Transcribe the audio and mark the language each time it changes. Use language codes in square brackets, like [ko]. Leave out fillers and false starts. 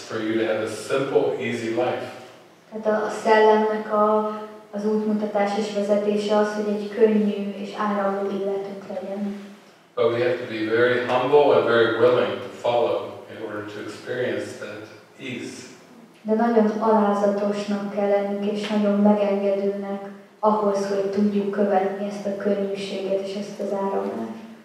[en] you to have a simple, easy life. [hu] Tehát a szellemnek a az útmutatás és vezetése az, hogy egy könnyű és áramló életünk legyen. [en] But we have to be very humble and very willing to follow in order to experience that ease. [hu] De nagyon alázatosnak kell lennünk és nagyon megengedőnek ahhoz, hogy tudjuk követni ezt a könnyűséget és ezt az áramlást.